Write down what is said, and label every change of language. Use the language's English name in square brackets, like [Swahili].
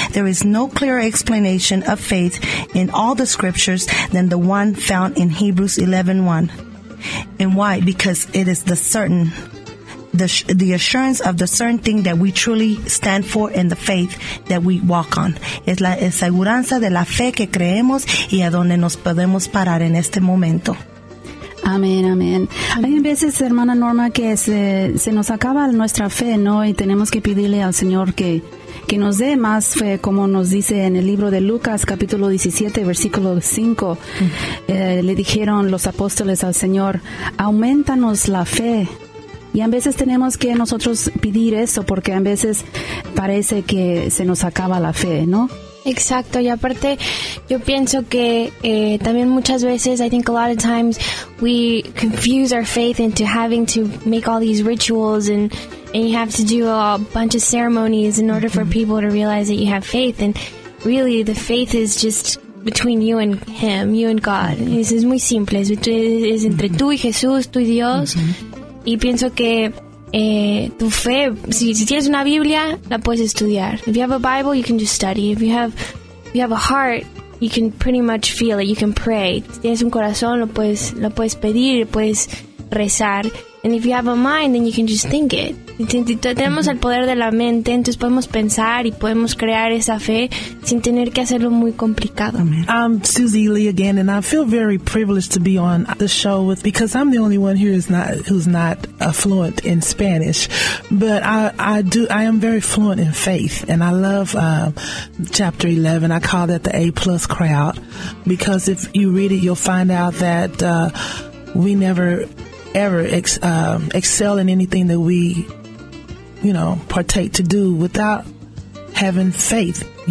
[English] There is no clearer explanation of faith in all the scriptures than the one found in Hebrews 11:1. And why? Because it is the assurance of the certain thing that we truly stand for in the faith that we walk on. [Spanish] Es la seguridad de la fe que creemos y a donde nos podemos parar en este momento. Amén, amén. Hay veces, hermana Norma, que se nos acaba nuestra fe, ¿no? Y tenemos que pedirle al Señor que nos dé más fe, como nos dice en el libro de Lucas, capítulo 17, versículo 5. Le dijeron los apóstoles al Señor, auméntanos la fe. Y a veces tenemos que nosotros pedir eso, porque a veces parece que se nos acaba la fe, ¿no? Exacto, y aparte yo pienso que también muchas veces, [English] I think a lot of times we confuse our faith into having to make all these rituals and you have to do a bunch of ceremonies in order for people to realize that you have faith, and really the faith is just between you and him, you and God. [Spanish] Es muy simple, es entre tú y Jesús, tú y Dios. Y pienso que tu fe, si tienes una Biblia, la puedes estudiar. [English] If you have a Bible, you can just study. If you have a heart, you can pretty much feel it. You can pray. [Spanish] Si tienes un corazón, lo puedes pedir, puedes rezar. [English] And if you have a mind, then you can just think it. [Spanish] Tenemos el poder de la mente, entonces podemos pensar y podemos crear esa fe sin tener que hacerlo muy complicado. [English] I'm Susie Lee again, and I feel very privileged to be on the show because I'm the only one here who's not fluent in Spanish, but I am very fluent in faith, and I love chapter 11. I call that the A+ crowd, because if you read it, you'll find out that we never ever excel in anything that we, you know, partake to do without having faith.